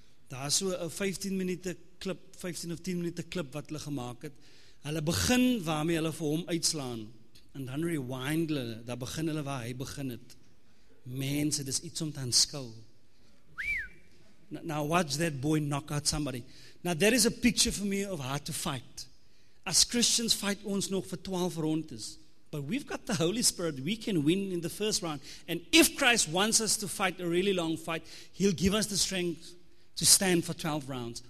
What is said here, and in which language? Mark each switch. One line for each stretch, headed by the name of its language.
Afrikaans: Daar is so 'n 15 of 10 minute klip wat hulle gemaakt het. Hulle begin waarmee hulle vir hom uitslaan. En dan rewind hulle, daar begin hulle waar hy begin het. Mense, dis iets om te aanskou.
English: Now watch that boy knock out somebody. Now there is a picture for me of how to fight. As Christians fight
Afrikaans: ons nog vir 12 rondes.
English: But we've got the Holy Spirit, we can win in the first round. And if Christ wants us to fight a really long fight, he'll give us the strength to stand for 12 rounds.